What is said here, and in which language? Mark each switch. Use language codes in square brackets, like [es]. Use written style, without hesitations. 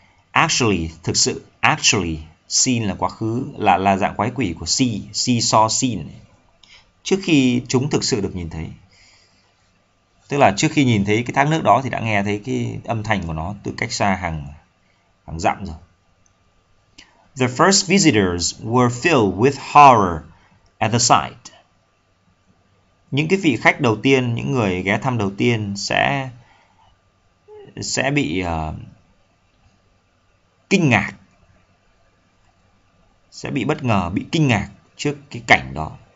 [vi] Actually, thực sự. Actually, seen là quá khứ, là dạng quái quỷ của see, [en] see, saw, seen. [vi] Trước khi chúng thực sự được nhìn thấy, tức là trước khi nhìn thấy cái thác nước đó thì đã nghe thấy cái âm thanh của nó từ cách xa hàng hàng dặm rồi. [en] The first visitors were filled with horror at the sight. [vi] Những cái vị khách đầu tiên, những người ghé thăm đầu tiên sẽ bị kinh ngạc, sẽ bị bất ngờ, bị kinh ngạc trước cái cảnh đó.